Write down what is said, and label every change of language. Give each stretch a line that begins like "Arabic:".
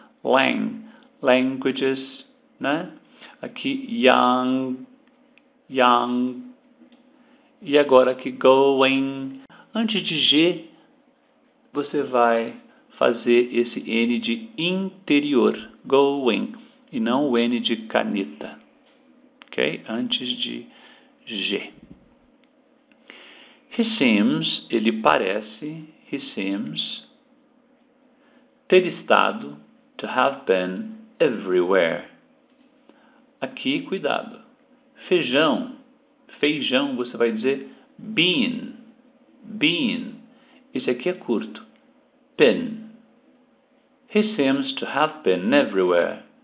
English: Lang. Languages, né? Aqui, young. Young.
Portuguese: E agora aqui, going. Antes de G, você vai fazer esse N de interior, going, e não o N de caneta, ok? Antes de G.
English: He seems,
Portuguese: ele parece,
English: he seems,
Portuguese: ter estado,
English: to have been, everywhere.
Portuguese: Aqui, cuidado. Feijão, feijão, você vai dizer bean, bean. Esse aqui é curto, pen.
English: He seems to have been everywhere.